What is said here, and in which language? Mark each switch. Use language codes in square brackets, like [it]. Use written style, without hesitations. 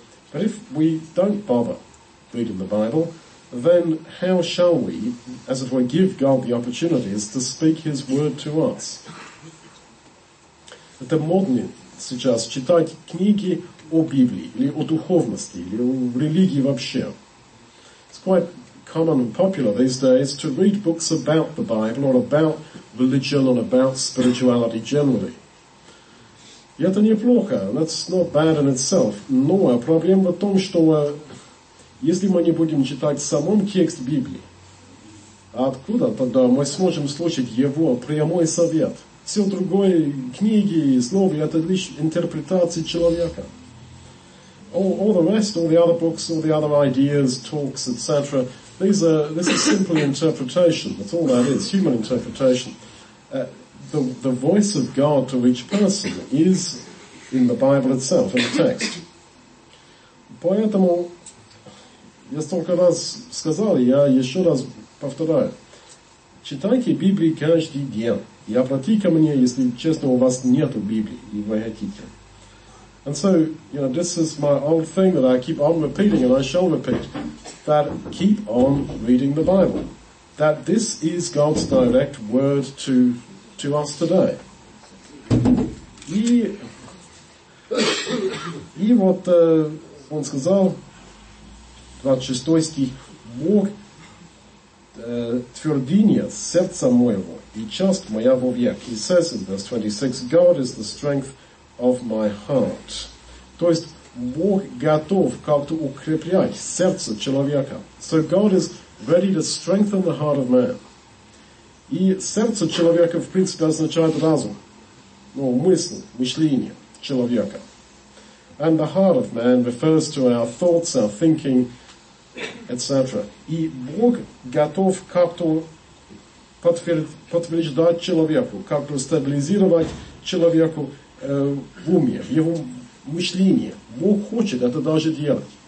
[en] But if we don't bother reading the Bible, then how shall we, as if we give God the opportunities, to speak His word to us? [ru] Это модно сейчас читать книги о Библии, или о духовности, или о религии вообще. [en] It's quite common and popular these days to read books about the Bible, or about religion, or about spirituality generally. [ru] И это неплохо. [en] That's not bad in itself. [ru] Но проблема в том, что если мы не будем читать самом текст Библии, откуда тогда мы сможем слушать его прямой совет? Все другое, книги, слова, это лишь интерпретации человека. [en] All the rest, all the other books, all the other ideas, talks, etc. This is simply interpretation. That's all that is, human interpretation. The voice of God to each person is in the Bible itself, in the text. [ru] Поэтому, я столько раз сказал, я еще раз повторяю. Читайте Библию каждый день. И обратите ко мне, если честно, у вас нету Библии, и вы хотите. [en] And so, you know, this is my old thing that I keep on repeating, and I shall repeat, that keep on reading the Bible. That this is God's direct word to us today. [ru] И вот он сказал, 26 стих, Бог твердыня сердца моего, и часть моя вовек. [en] He says in verse 26, God is the strength of my heart. [ru] То есть, Бог готов как-то укреплять сердце человека. [en] So God is ready to strengthen the heart of man. [ru] И сердце человека, в принципе, означает разум. Ну, мысль, мышление человека. [en] And the heart of man refers to our thoughts, our thinking, etc. [ru] И Бог готов как-то подтверждать человеку, как-то стабилизировать человеку в уме, в его мышлении. Бог хочет это даже делать.